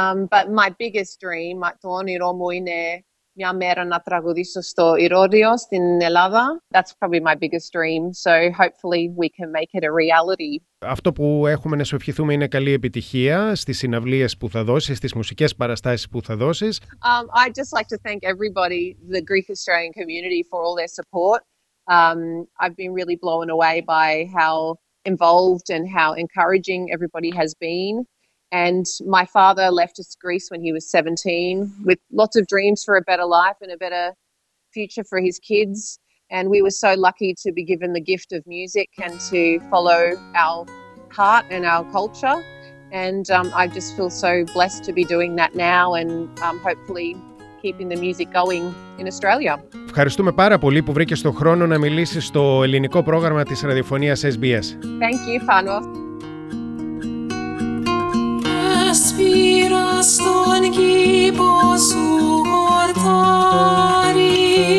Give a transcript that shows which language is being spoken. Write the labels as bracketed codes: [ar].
[en] But my biggest dream, [el] το όνειρό μου είναι μια μέρα να τραγουδήσω στο Ηρώδειο στην Ελλάδα. [en] That's probably my biggest dream, so hopefully we can make it a reality. [el] Αυτό που έχουμε να σου ευχηθούμε είναι καλή επιτυχία στις συναυλίες που θα δώσεις, στις μουσικές παραστάσεις που θα δώσεις. [en] I'd just like to thank everybody, the Greek Australian community, for all their support. I've been really blown away by how involved and how encouraging everybody has been. And my father left us Greece when he was 17 with lots of dreams for a better life and a better future for his kids. And we were so lucky to be given the gift of music and to follow our heart and our culture. And I just feel so blessed to be doing that now and hopefully keeping the music going in Australia. [el] Ευχαριστούμε πάρα πολύ που βρήκες το χρόνο να μιλήσεις στο ελληνικό πρόγραμμα της ραδιοφωνίας SBS. [en] Thank you, Fano. [el] Σπύρα στον κήπο σου χορτάρι.